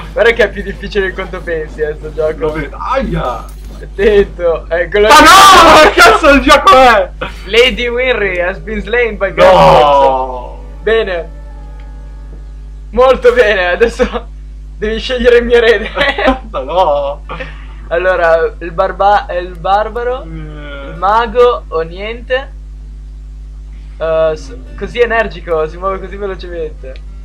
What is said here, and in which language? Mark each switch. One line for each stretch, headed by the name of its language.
Italian: Guarda che è più difficile di quanto pensi, sto gioco. Aia. Attento, ecco la. Ah no! Ma cazzo il gioco è!
English: Lady Winry has been slain by God. No!
Italian: Bene. Molto bene, adesso devi scegliere il mio erede. Ma no! Allora, il barbaro, il mago o niente? Così energico, si muove così velocemente.